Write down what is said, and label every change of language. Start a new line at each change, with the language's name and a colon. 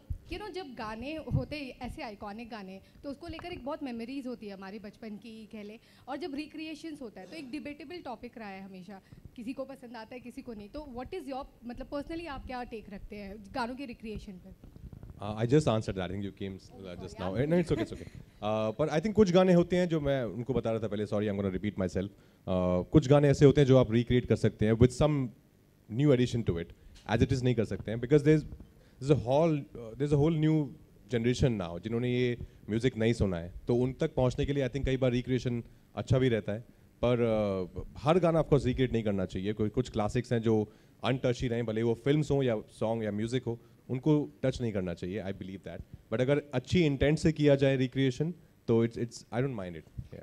Hindi: You know, जब गाने होते ऐसे iconic गाने तो उसको लेकर एक बहुत memories होती है हमारे बचपन की कह ले, और जब recreations होता है तो एक debatable topic रहा है हमेशा, किसी को पसंद आता है किसी को नहीं, तो
English: what is your,
Hindi: मतलब personally आप क्या take रखते हैं गानों के recreation पर?
English: I just answered that, I think you came just now. No, it's okay, it's okay.
Hindi: But I think कुछ गाने होते हैं जो मैं उनको बता रहा था पहले,
English: sorry, I'm going to repeat myself.
Hindi: कुछ गाने ऐसे होते हैं जो आप recreate कर सकते हैं
English: with some new addition to it,
Hindi: as it is नहीं कर सकते हैं,
English: because there's a whole new generation now,
Hindi: जिन्होंने ये music नहीं सुना है, तो उन तक पहुँचने के लिए I think कई बार recreation अच्छा भी रहता है, पर हर गाना आपको recreate नहीं करना चाहिए, कुछ classics हैं जो untouched ही रहें, भले वो films हों या song या music हो, उनको टच नहीं करना चाहिए,
English: I believe that,
Hindi: बट अगर अच्छी इंटेंट से किया जाए रिक्रिएशन तो
English: It's I don't mind it.